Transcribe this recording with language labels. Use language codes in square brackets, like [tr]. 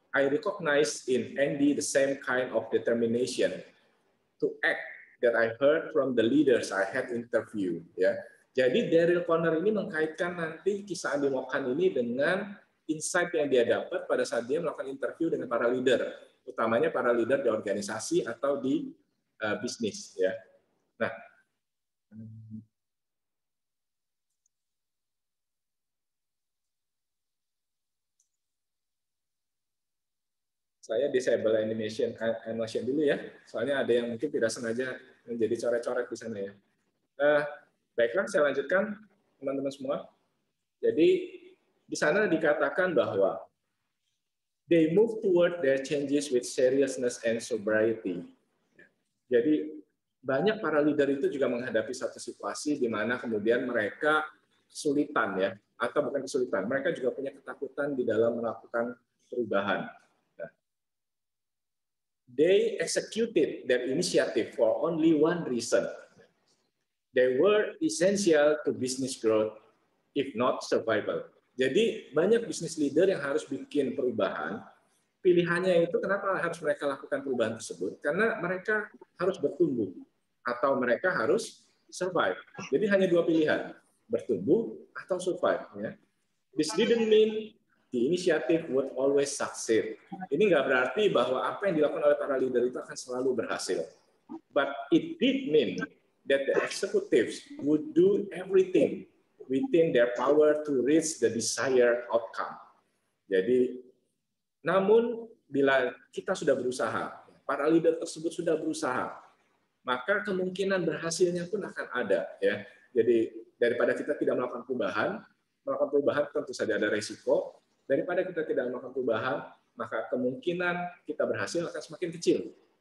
[en] I recognize in Andy the same kind of determination to act that I heard from the leaders I had interviewed. [id] Ya. Jadi Daryl Conner ini mengkaitkan nanti kisah Andy Mokan ini dengan [en] insight [id] yang dia dapat pada saat dia melakukan interview dengan para leader, utamanya para leader di organisasi atau di bisnis. Ya. Nah, saya [en] disable animation [id] dulu ya, soalnya ada yang mungkin tidak sengaja menjadi coret-coret di sana ya. Baiklah, saya lanjutkan teman-teman semua. Jadi di sana dikatakan bahwa [en] they move toward their changes with seriousness and sobriety. [id] Jadi banyak para leader itu juga menghadapi satu situasi di mana kemudian mereka kesulitan ya, atau bukan kesulitan, mereka juga punya ketakutan di dalam melakukan perubahan. [en] They executed their initiative for only one reason. They were essential to business growth, if not survival. [id] Jadi banyak [en] business leader [id] yang harus bikin perubahan, pilihannya itu kenapa harus mereka lakukan perubahan tersebut? Karena mereka harus bertumbuh atau mereka harus survive. Jadi hanya dua pilihan, bertumbuh atau survive. Ya. [en] This didn't mean the initiative would always succeed. [id] Ini nggak berarti bahwa apa yang dilakukan oleh para leader itu akan selalu berhasil. [en] But it did mean that the executives would do everything within their power to reach the desired outcome. [id] Jadi, namun bila kita sudah berusaha, para leader tersebut sudah berusaha, maka kemungkinan berhasilnya pun akan ada. Ya. Jadi daripada kita tidak melakukan perubahan tentu saja ada resiko. Daripada kita tidak melakukan perubahan, maka kemungkinan kita berhasil akan semakin kecil.